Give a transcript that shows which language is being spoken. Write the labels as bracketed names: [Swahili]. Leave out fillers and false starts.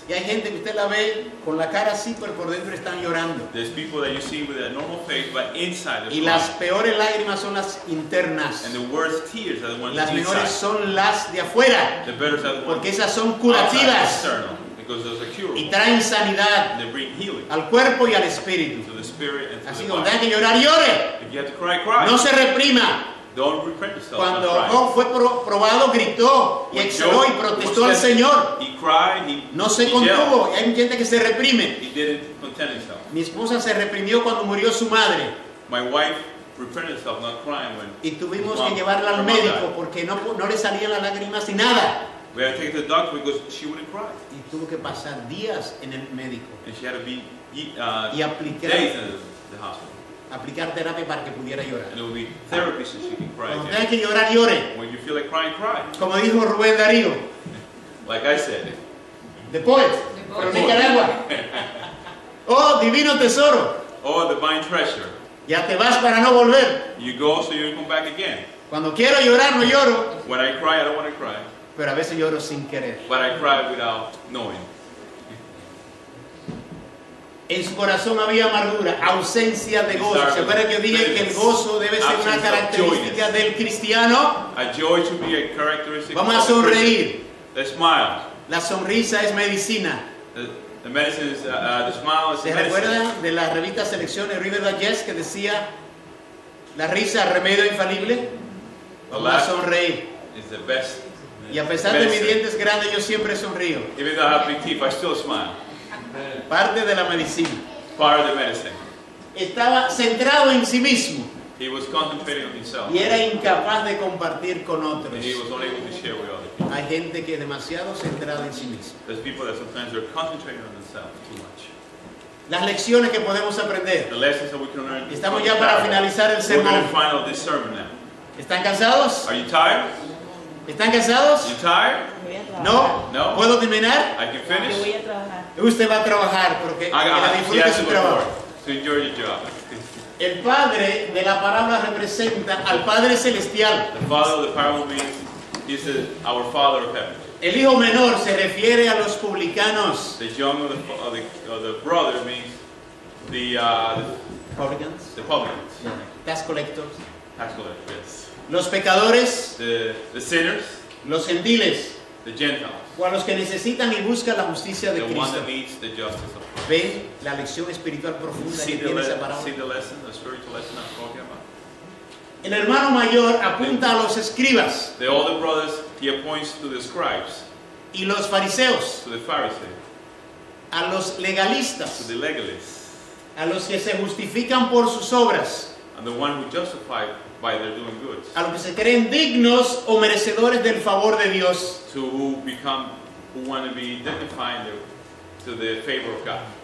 [Spanish] Y hay gente que usted la ve con la cara así, pero por dentro están llorando. [English] There's people that you see with a normal face, but inside. [Spanish] Y las peores lágrimas son las internas. [English] And the worst tears are the ones [Spanish] las [English] inside. [Spanish] Las mejores son las de afuera. [English] The better are the ones. [Spanish] Porque esas son curativas. [English] Outside, external. Because those are curable. [Spanish] Y traen sanidad [English] they bring healing [Spanish] al cuerpo y al espíritu. [English] To the spirit and to [Spanish] así [English] the [Spanish] cuando hay que llorar, llore. [English] If you have to cry, cry. [Spanish] No se reprima. [English] Don't repent yourself. [Spanish] Cuando Job fue probado, gritó y exhaló y protestó al Señor. [English] He cried, [Spanish] no se contuvo. Hay gente que se reprime. [English] He didn't contain himself. [Spanish] Mi esposa se reprimió cuando murió su madre. [English] My wife repent himself, not crying when. [Spanish] Y tuvimos que llevarla al médico porque no le salían las lágrimas ni nada. [English] We had to take the doctor because she wouldn't cry. [Spanish] Y tuvo que pasar días en el médico. [English] And she had to be [Spanish] y aplicar, [English] days in the hospital. [Spanish] Aplicar terapia para que pudiera llorar. [English] And it would be therapy so she can cry. [Spanish] Cuando tenga que llorar, llore. [English] When you feel like crying, cry. [Spanish] Como dijo Rubén Darío. [English] Like I said. The poet. [Spanish] Pero en Nicaragua. Oh, divino tesoro. [English] Oh, divine treasure. [Spanish] Ya te vas para no volver. [English] You go so you come back again. [Spanish] Cuando quiero llorar, no lloro. [English] When I cry, I don't want to cry. [Spanish] Pero a veces lloro sin querer. [English] But I cry without knowing. [Spanish] En su corazón había amargura, ausencia de gozo. ¿Se acuerda que dije que el gozo debe ser una característica del cristiano? [English] A joy should be a characteristic. [Spanish] Vamos a sonreír. [English] Let's smile. [Spanish] La sonrisa es medicina. [English] The medicine is the smile is medicine. [Spanish] ¿Se recuerda de la revista Selecciones River Digest que decía la risa remedio infalible? La sonreír. [English] Is the best. [Spanish] Y a pesar [English] medicine. [Spanish] De mis dientes grandes, yo siempre sonrío. [English] Even though I have big teeth, I still smile. [Spanish] Parte de la medicina. [English] Part of the medicine. [Spanish] Estaba centrado en sí mismo. [English] He was concentrating on himself. [Spanish] Y era incapaz de compartir con otros. [English] And he was unable to share with others. [Spanish] Hay gente que es demasiado centrada en sí misma. [English] There's people that sometimes are concentrating on themselves too much. [Spanish] Las lecciones que podemos aprender. [English] The lessons that we can learn. [Spanish] Estamos ya para finalizar el sermón. [English] We're going to final this sermon now. [Spanish] ¿Están cansados? [English] Are you tired? [Spanish] ¿Están cansados? [English] You tired? [Spanish] No. [English] No. [Spanish] ¿Puedo terminar? [English] I can finish. [Spanish] Yo voy a trabajar. Usted va a trabajar porque disfrute su trabajo. [English] To enjoy your job. [Spanish] El padre de la parábola representa al Padre Celestial. [English] The father of the parable means he is our Father of Heaven. [Spanish] El hijo menor se refiere a los publicanos. [English] The young of the brother means the publicans. The publicans. Yeah. Tax collectors. Tax collectors. Yes. [Spanish] Los pecadores, [English] the sinners, [Spanish] los gentiles, [English] the Gentiles, [Spanish] o a los que necesitan y buscan la justicia de Cristo. [English] The one that needs the justice of Christ. [Spanish] ¿Ven la lección espiritual profunda que tiene esa parábola? [English] See the lesson, the spiritual lesson I'm talking about. [Spanish] El hermano mayor apunta a los escribas. [English] The older brothers, he appoints to the scribes. [Spanish] Y los fariseos. [English] To the Pharisees. [Spanish] A los legalistas. [English] To the legalists. [Spanish] A los que se justifican por sus obras. [English] And the one who justify by their doing good. [Spanish] A los que se creen dignos o merecedores del favor de Dios. [English] To who become, who want to be dignified to the favor of God.